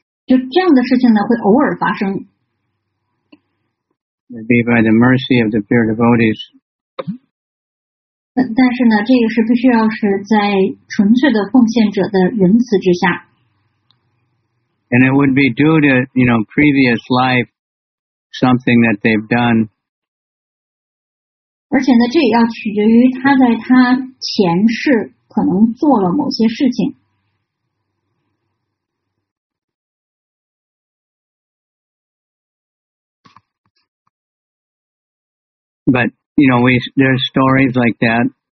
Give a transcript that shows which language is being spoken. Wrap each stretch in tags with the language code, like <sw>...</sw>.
<zh>就这样的事情呢会偶尔发生。</zh> <en>Maybe by the mercy of the pure devotees.</en> <zh>但是呢，这个是必须要是在纯粹的奉献者的仁慈之下。</zh> <en>And it would be due to, you know, previous life, something that they've done.</en> <zh>而且呢，这也要取决于他在他前世可能做了某些事情。</zh> <en>But, you know, there's stories like that.</en>